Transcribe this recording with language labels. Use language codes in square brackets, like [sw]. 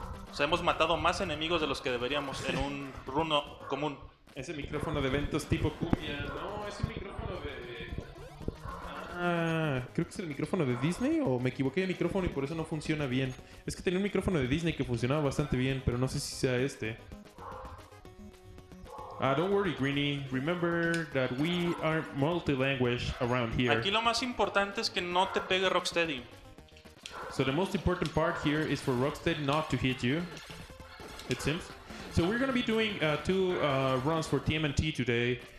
[es] O sea, hemos matado más enemigos de los que deberíamos en un runo común. Ese micrófono de eventos tipo cumbia. No, es el micrófono de... creo que es el micrófono de Disney, o me equivoqué de micrófono y por eso no funciona bien. Es que tenía un micrófono de Disney que funcionaba bastante bien, pero no sé si sea este. [en] Don't worry, Greeny. Remember that we are multi-language around here. [es] Aquí lo más importante es que no te pegue Rocksteady. [en] So the most important part here is for Rocksteady not to hit you, it seems. So we're going to be doing two runs for TMNT today.